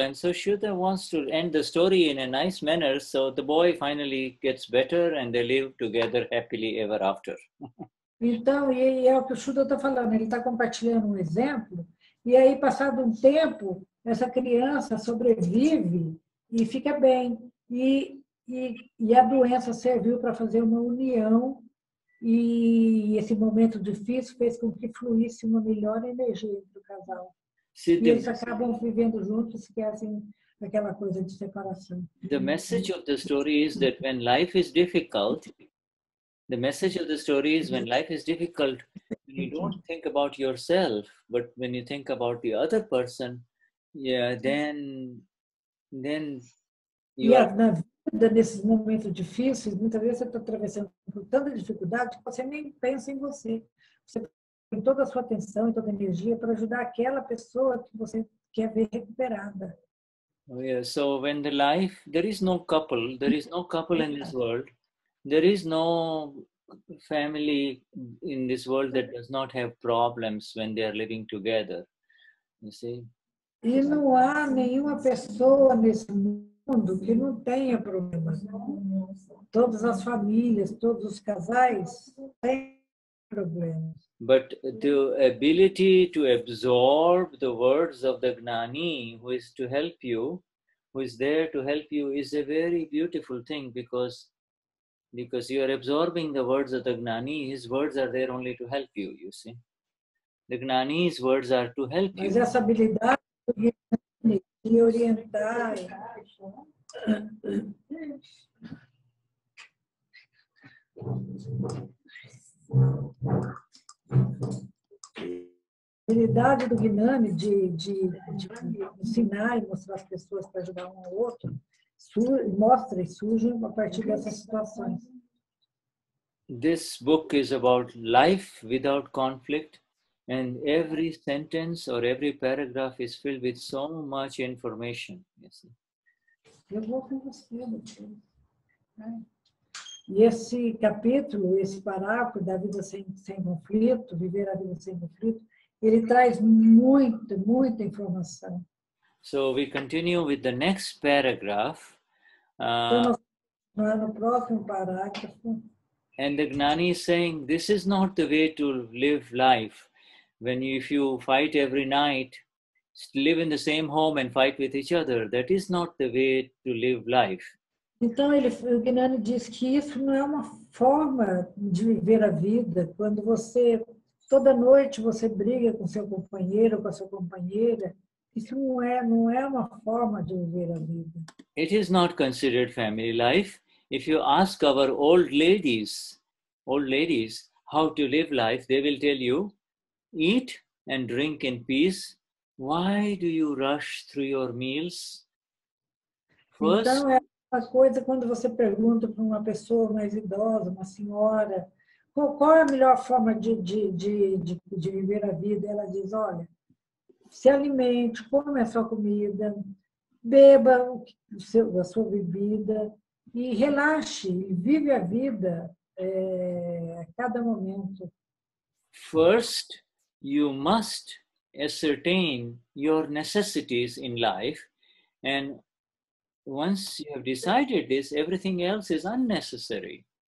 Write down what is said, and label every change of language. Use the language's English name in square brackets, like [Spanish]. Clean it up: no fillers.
[English] And so Shuddha wants to end the story in a nice manner. So the boy finally gets better and they live together happily ever after. [Portuguese] Então, e é o que o Shuddha está falando, ele está compartilhando um exemplo, e aí, passado um tempo, essa criança sobrevive e fica bem. E a doença serviu para fazer uma união, e esse momento difícil fez com que fluísse uma melhor energia entre o casal. E eles acabam vivendo juntos, esquecem daquela coisa de separação. [English] The message of the story is that when life is difficult, the message of the story is when life is difficult, you don't think about yourself, but when you think about the other person, then you are... [Portuguese] Na vida, nesses momentos difíceis, muitas vezes você está atravessando por tanta dificuldade que você nem pensa em você. Você tem toda a sua atenção e toda a energia para ajudar aquela pessoa que você quer ver recuperada. [English] Oh, yeah. So when the life, there is no couple in this world. There is no family in this world that does not have problems when they are living together. You see? [Portuguese] E não há nenhuma pessoa nesse mundo que não tenha problemas. Todas as famílias, todos os casais têm problemas. [English] But the ability to absorb the words of the Gnani, who is to help you, who is there to help you, is a very beautiful thing because you are absorbing the words of the Gnani. His words are there only to help you, you see. The Gnani's words are to help you. [Portuguese] Mas essa habilidade de orientar. A habilidade do Gnani de ensinar e mostrar as pessoas para ajudar um ao outro mostra e surge a partir dessas situações. [English] This book is about life without conflict, and every sentence or every paragraph is filled with so much information. [Portuguese] Eu vou com você, e esse capítulo, esse parágrafo da vida sem conflito, viver a vida sem conflito, ele traz muita informação. [English] So we continue with the next paragraph. [Portuguese] Então, no próximo parágrafo. [English] And the Gnani is saying, this is not the way to live life. If you fight every night, live in the same home and fight with each other, that is not the way to live life. [Portuguese] Então, o Gnani diz que isso não é uma forma de viver a vida. Quando você, toda noite, você briga com seu companheiro, com a sua companheira, isso não é uma forma de viver a vida. [English] It is not considered family life. If you ask our old ladies, how to live life, they will tell you, eat and drink in peace. Why do you rush through your meals? First, [Portuguese] então, a coisa quando você pergunta para uma pessoa mais idosa, uma senhora, qual é a melhor forma de viver a vida? Ela diz, olha, se alimente, come a sua comida, beba a sua bebida e relaxe, vive a vida a cada momento. [English] First, you must ascertain your necessities in life, and once you have decided this, everything else is unnecessary.